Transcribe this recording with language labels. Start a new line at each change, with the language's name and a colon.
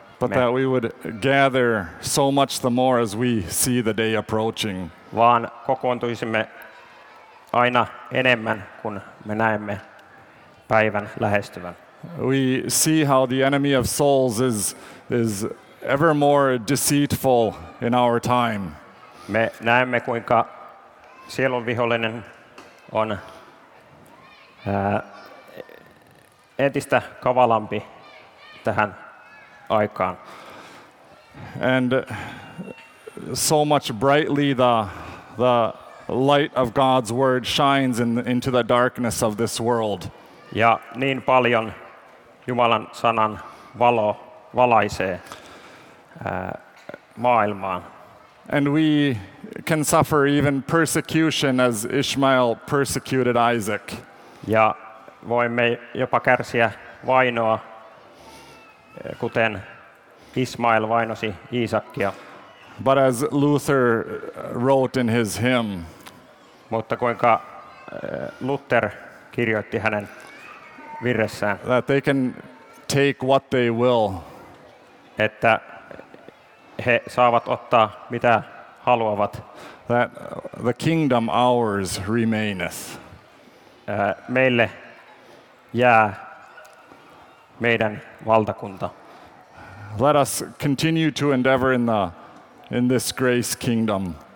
English: but that we would gather so much the more as we see the day approaching,
Finnish: vaan kokoontuisimme aina enemmän, kun me näemme päivän lähestyvän.
English: We see how the enemy of souls is ever more deceitful in our time.
Finnish: Me näemme, kuinka sielun vihollinen on entistä kavalampi tähän aikaan.
English: And so much brightly the light of God's word shines into the darkness of this world.
Finnish: Ja niin paljon Jumalan sanan valo valaisee maailmaan.
English: And we can suffer even persecution as Ishmael persecuted Isaac.
Finnish: Ja voimme jopa kärsiä vainoa, kuten Ismael vainosi Iisakkia.
English: But as Luther wrote in his hymn,
Finnish: mutta kuinka Luther kirjoitti hänen virressään,
English: that they can take what they will,
Finnish: että he saavat ottaa mitä haluavat,
English: that the kingdom ours remaineth,
Finnish: meille jää meidän valtakunta.
English: Let us continue to endeavor in this grace kingdom.